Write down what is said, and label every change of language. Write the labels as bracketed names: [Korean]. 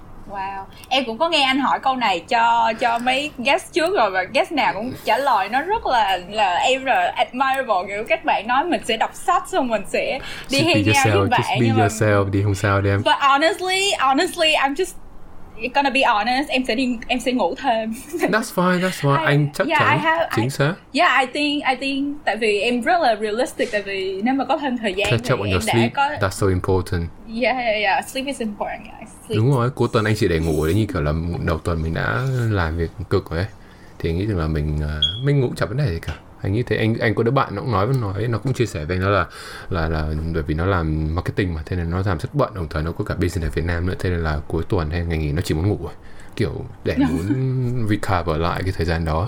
[Vietnamese] Wow, em cũng có nghe anh hỏi câu này cho mấy guest trước rồi, và guest nào cũng trả lời nó rất là em là admirable, kiểu các bạn nói mình sẽ đọc sách xong mình sẽ đi hang out với bạn, [English] just be yourself [Vietnamese] đi, không sao đem. [English] But honestly I'm just gonna be honest, [Vietnamese] em sẽ ngủ thêm. [English] That's fine. [Vietnamese] Anh chắc chắn. [English] I think [Vietnamese] tại vì em rất là realistic, tại vì nếu mà có thêm thời gian [English] catch up on your sleep, that's so important. Yeah, sleep is important, guys. [Vietnamese] Đúng rồi, cuối tuần anh chỉ để ngủ đấy, như kiểu là đầu tuần mình đã làm việc cực rồi ấy, thì anh nghĩ rằng là mình ngủ chẳng vấn đề gì cả. Anh nghĩ thế. Anh có đứa bạn nó cũng nói nó cũng chia sẻ với anh, nó là bởi vì nó làm marketing mà, thế nên nó làm rất bận, đồng thời nó có cả business ở Việt Nam nữa, thế nên là cuối tuần hay ngày nghỉ nó chỉ muốn ngủ kiểu để muốn recover lại cái thời gian đó.